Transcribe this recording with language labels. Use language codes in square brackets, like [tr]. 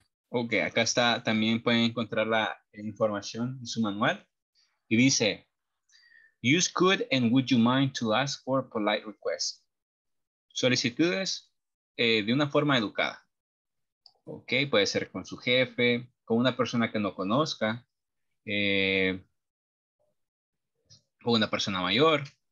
[es] Ok, acá está, también pueden encontrar la información en su manual. Y dice, [en] use could and would you mind to ask for polite requests. [es] Solicitudes de una forma educada. Ok, puede ser con su jefe, con una persona que no conozca, con una persona mayor.